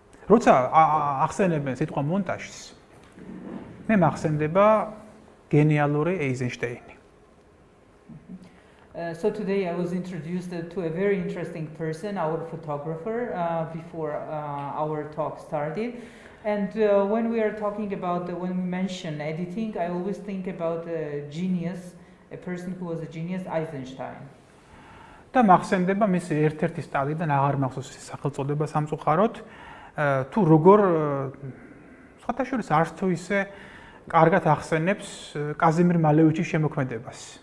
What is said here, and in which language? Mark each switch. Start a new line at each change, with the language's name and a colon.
Georgian: როცა ახსენებენ სიტყვა მონტაჟს მე მახსენდება გენიალური ეიზენშტეინი.
English: So today I was introduced to a very interesting person, our photographer, before our talk started. And when we are talking about, when we mention editing, I always think about a genius, a person who was a genius, Eisenstein.
Georgian: და მახსენდება მის ერთ-ერთი სტადიიდან აღარ მახსოვს ის სახელწოდება სამწუხაროდ, თუ როგორ ფათაშურის არც თუ ისე კარგად ახსენებს კაზიმირ მალევიჩის შემოქმედებას.